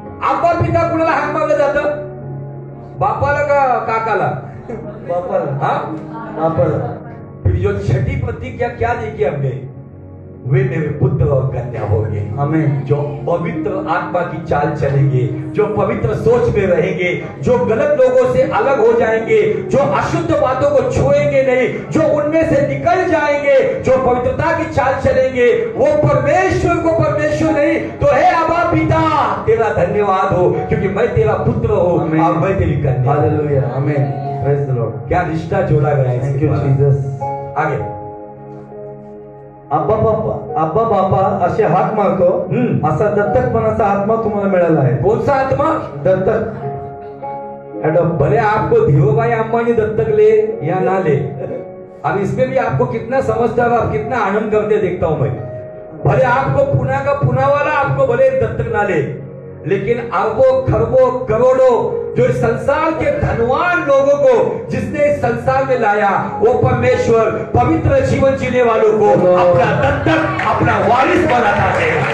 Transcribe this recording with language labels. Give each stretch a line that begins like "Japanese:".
Marathi: अब्बा पिता कुणाला हात मारलं जातं? बापाला का काकाला? बापाला. हा, बापाला.
Hindi: जो छठी प्रतिज्ञा क्या देखी हमने, वे मेरे पुत्र और कन्या होंगे. हमें जो पवित्र आत्मा की चाल चलेंगे, जो पवित्र सोच में रहेंगे, जो गलत लोगों से अलग हो जाएंगे, जो अशुद्ध बातों को छुएंगे नहीं, जो उनमें से निकल जाएंगे, जो पवित्रता की चाल चलेंगे, वो परमेश्वर को परमेश्वर नहीं तो हे अबा पिता तेरा धन्यवाद हो, क्योंकि मैं तेरा पुत्र हूं और मैं तेरी कन्या. हालेलुया. आमीन.
English: Praise the Lord.
Hindi: क्या रिश्ता जोड़ा गया है.
English: Thank you Jesus.
Hindi: आगे
Marathi: अब्बा बापा, अब्बा बापा असे हात मारतो असा दत्तकपणाचा आत्मा तुम्हाला मिळाला आहे.
Hindi: कोणता आत्मा? दत्तक. भले आपको धीरूभाई अंबानी दत्तक ले या ना ले, अब इसमें भी आपको कितना समझदार और कितना आनंद करते देखता हूं मैं. भले आपको पुना का पुना वाला आपको भले दत्तक ना ले, लेकिन अरबों खरबों करोड़ों जो संसार के धनवान लोगों को जिसने इस संसार में लाया, वो परमेश्वर पवित्र जीवन जीने वालों को अपना दत्तक अपना वारिस बनाता है।